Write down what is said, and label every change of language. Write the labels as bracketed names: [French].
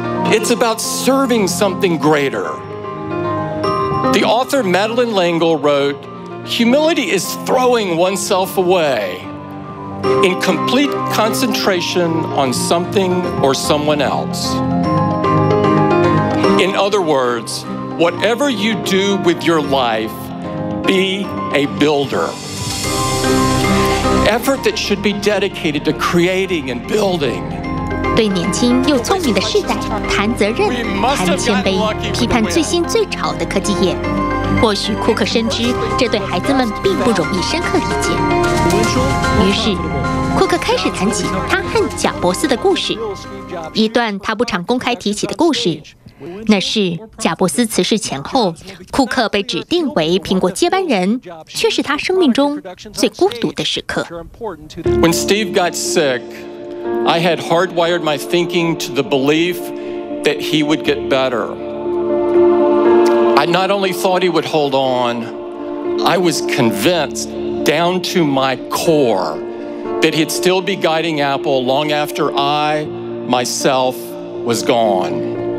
[English] It's about serving something greater. The author Madeleine L'Engle wrote, "Humility is throwing oneself away in complete concentration on something or someone else." In other words, whatever you do with your life, be a builder. Effort that should be dedicated to creating and building. [Chinese] 对年轻又聪明的世代谈责任、谈谦卑，批判最新最潮的科技业。或许库克深知这对孩子们并不容易深刻理解。于是，库克开始谈起他和贾伯斯的故事，一段他不常公开提起的故事。那是贾伯斯辞世前后，库克被指定为苹果接班人，却是他生命中最孤独的时刻。 [English] When Steve got sick, I had hardwired my thinking to the belief that he would get better. I not only thought he would hold on, I was convinced down to my core that he'd still be guiding Apple long after I, myself, was gone.